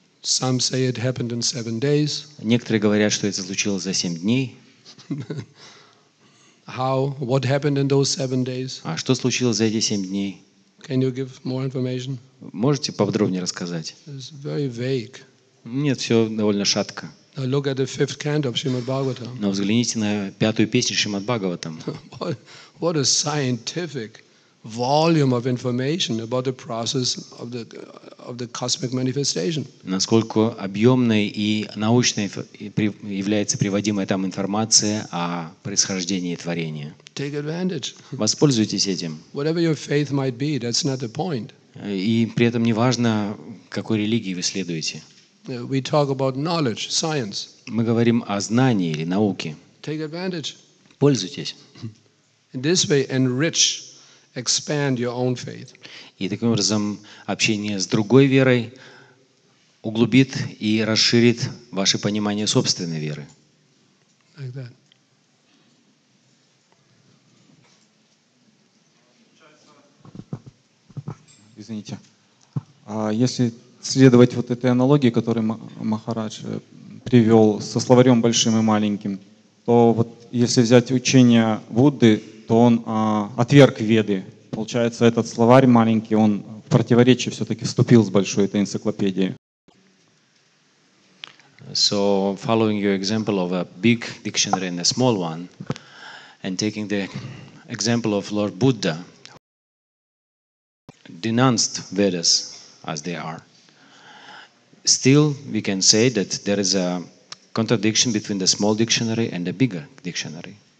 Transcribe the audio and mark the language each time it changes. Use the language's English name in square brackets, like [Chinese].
[English] Some say it happened in 7 days. [Russian] Некоторые говорят, что это случилось за 7 дней. [English] How? What happened in those 7 days? [Russian] А что случилось за эти 7 дней? [English] Can you give more information? [Russian] Можете подробнее рассказать? [English] It's very vague. [Russian] Нет, все довольно шатко. [English] Now look at the fifth canto of Shrimad Bhagavatam. [Russian] Но взгляните на пятую песню Шримад Бхагаватам. [English] What a scientific volume of information about the process of the cosmic manifestation. [Russian] Насколько объемной и научной является приводимая там информация о происхождении творения. [English] Take advantage. [Russian] Воспользуйтесь этим. [English] Whatever your faith might be, that's not the point. [Russian] И при этом не важно, какой религии вы следуете. [English] We talk about knowledge, science. [Russian] Мы говорим о знании или науке. [English] Take advantage. [Russian] Пользуйтесь. [English] In this way, enrich, expand your own faith. [Russian] И таким образом общение с другой верой углубит и расширит ваше понимание собственной веры. [English] Like that. [Russian] Извините. Если следовать вот этой аналогии, которую Махарадж привел со словарем большим и маленьким, то вот если взять учение Будды, то он отверг Веды. Получается, этот словарь маленький, он в противоречие все-таки вступил с большой этой энциклопедией. [English] So, following your example of a big dictionary and a small one, and taking the example of Lord Buddha, denounced Vedas as they are. Still, we can say that there is a contradiction between the small dictionary and the bigger dictionary.